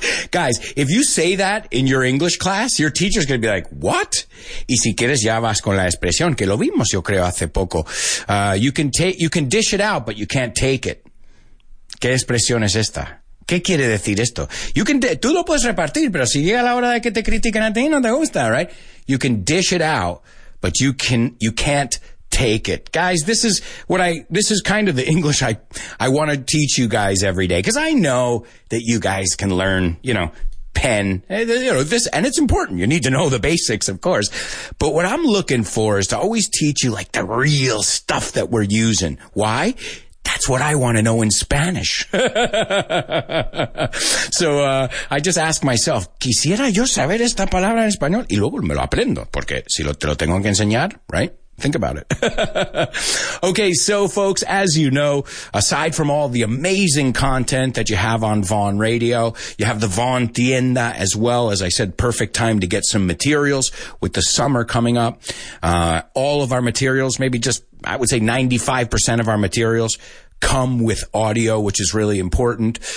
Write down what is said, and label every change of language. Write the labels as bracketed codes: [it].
[en] Guys, if you say that in your English class, your teacher's going to be like, what? [es] Y si quieres, ya vas con la expresión, que lo vimos, yo creo, hace poco. [en] You can dish it out, but you can't take it. [es] ¿Qué expresión es esta? ¿Qué quiere decir esto? Tú lo puedes repartir, pero si llega la hora de que te critiquen a ti, no te gusta, right? [en] You can dish it out, but you can't take it. Guys, this is kind of the English I want to teach you guys every day. Cause I know that you guys can learn, you know, pen, you know, this, and it's important. You need to know the basics, of course. But what I'm looking for is to always teach you like the real stuff that we're using. Why? That's what I want to know in Spanish. So I just ask myself, [es] quisiera yo saber esta palabra en español? Y luego me lo aprendo. Porque si te lo tengo que enseñar, right? [en] Think about it. Okay, so folks, as you know, aside from all the amazing content that you have on Vaughn Radio, you have the Vaughn Tienda as well. As I said, perfect time to get some materials with the summer coming up. All of our materials, maybe just, I would say 95% of our materials come with audio, which is really important.